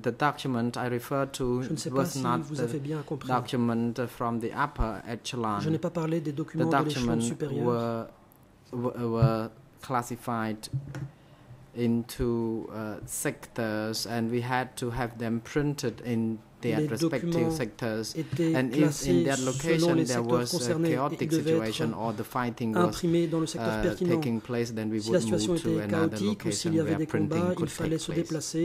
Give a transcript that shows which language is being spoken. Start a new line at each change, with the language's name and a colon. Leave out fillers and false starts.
English: The document I refer to was not the document from the upper echelon.
French: Je n'ai pas parlé des documents de l'échelon supérieur.
English: The documents were classified into sectors, and we had to have them printed in their respective sectors. And if in that location there was a chaotic situation or the fighting was taking place, then we would move to another location where printing could take place.